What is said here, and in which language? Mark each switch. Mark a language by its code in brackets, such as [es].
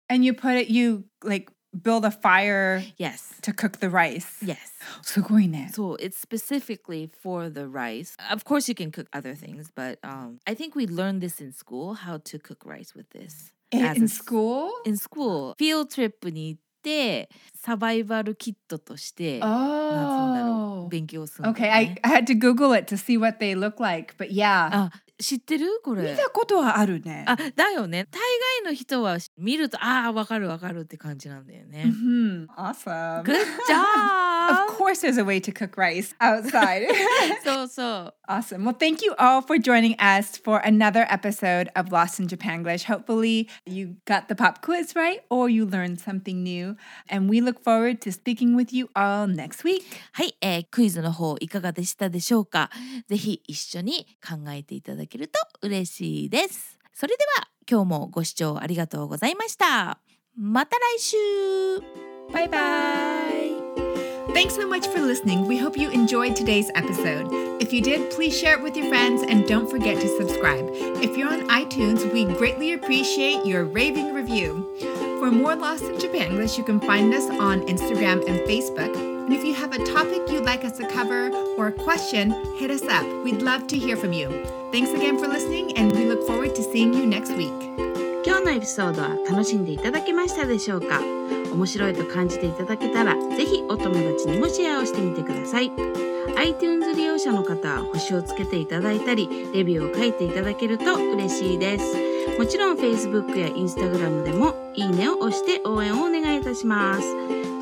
[en] And you put it, you like build a fire Yes. to cook the rice. Yes. [ja] すごいね。 [en] So it's specifically for the rice. Of course you can cook other things, but I think we learned this in school, how to cook rice with this. In school? [ja] In school. Field trip に行ってサバイバルキットとして、 oh. なんうんだろう勉強するの、ね、 [en] Okay, I had to Google it to see what they look like, but yeah. [ja] あ、知ってるこれ。見たことはあるね。あ、だよね。大概の人は見ると、ああ、わかるわかるって感じなんだよね。 [en] Mm-hmm. Awesome. Good job! Of course there's a way to cook rice outside. そうそう。 Awesome. Well, thank you all for joining us for another episode of Lost in Japanglish. Hopefully you got the pop quiz right or you learned something new. And we look forward to speaking with you all next week. [ja] はい、クイズの方いかがでしたでしょうか。ぜひ一緒に考えていただけると嬉しいです。それでは今日もご視聴ありがとうございました。また来週。 [en] バイバイ。Thanks so much for listening. We hope you enjoyed today's episode. If you did, please share it with your friends and don't forget to subscribe. If you're on iTunes, we greatly appreciate your raving review. For more Lost in Japanglish, you can find us on Instagram and Facebook. And if you have a topic you'd like us to cover or a question, hit us up. We'd love to hear from you. Thanks again for listening and we look forward to seeing you next week. [ja] 今日のエピソードは楽しんでいただけましたでしょうか?面白いと感じていただけたら、ぜひお友達にもシェアをしてみてください。 iTunes 利用者の方は星をつけていただいたり、レビューを書いていただけると嬉しいです。もちろん Facebook や Instagram でもいいねを押して応援をお願いいたします。